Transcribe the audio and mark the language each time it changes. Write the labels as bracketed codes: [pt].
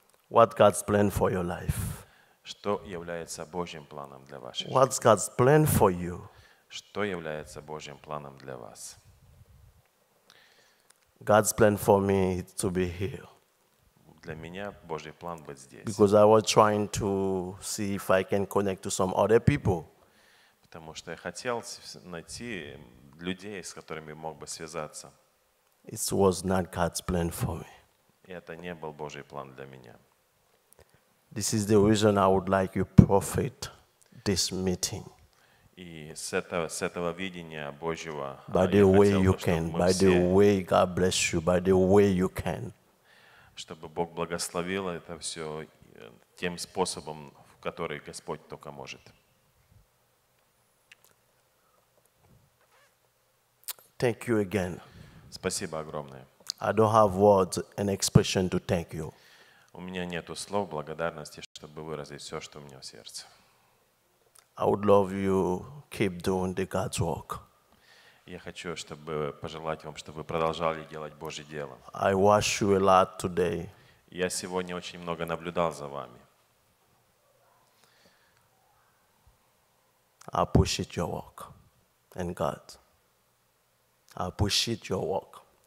[en] What God's plan for your life? [ru] Что является Божьим планом для вашей жизни? [en] What's God's plan for you? [ru] Что является Божьим планом для вас? [en] God's plan for me to be here. [ru] Для меня Божий план быть здесь. [en] Because I was trying to see if I can connect to some other people. [ru] Потому что я хотел найти людей, с которыми мог бы связаться. [en] It was not God's plan for me. [ru] Это не был Божий план для меня. [en] This is the reason I would like you to profit this meeting. [ru] И с этого видения Божьего. [en] By the way you can, by the way God bless you, by the way you can. [ru] Чтобы Бог благословил это все тем способом, в который Господь только может. [en] Thank you again. [ru] Спасибо огромное. [en] I don't have words and expression to thank you. [ru] У меня нету слов благодарности, чтобы выразить все, что у меня в сердце. [en] I would love you keep doing the God's work. [ru] Я хочу, чтобы пожелать вам, чтобы вы продолжали делать Божье дело. [en] I watched you a lot today. [ru] Я сегодня очень много наблюдал за вами. [en] I appreciate your work and God. I appreciate your work.